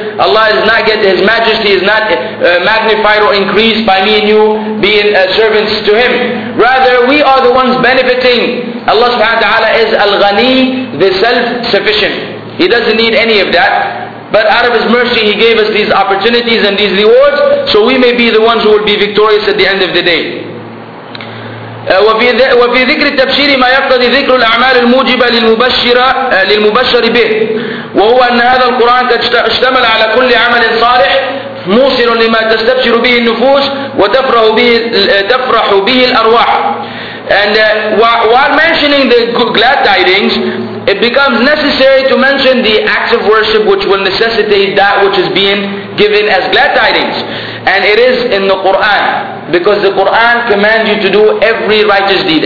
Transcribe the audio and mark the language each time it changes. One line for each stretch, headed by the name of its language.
English: Allah is not get His majesty is not magnified or increased by me and you being servants to Him. Rather, we are the ones benefiting. Allah subhanahu wa ta'ala is al-ghani, the self-sufficient. He doesn't need any of that. But out of His mercy, He gave us these opportunities and these rewards, so we may be the ones who will be victorious at the end of the day.
Arabic: وفي ذكر التبشير ما يقتضي ذكر الأعمال الموجبة للمبشر به وهو أن هذا القرآن اشتمل على كل عمل صالح موصل لما تستبشر به النفوس وتفرح به الأرواح.
English: And while mentioning the glad tidings, it becomes necessary to mention the acts of worship which will necessitate that which is being given as glad tidings. And it is in the Qur'an, because the Qur'an commands you to do every righteous deed.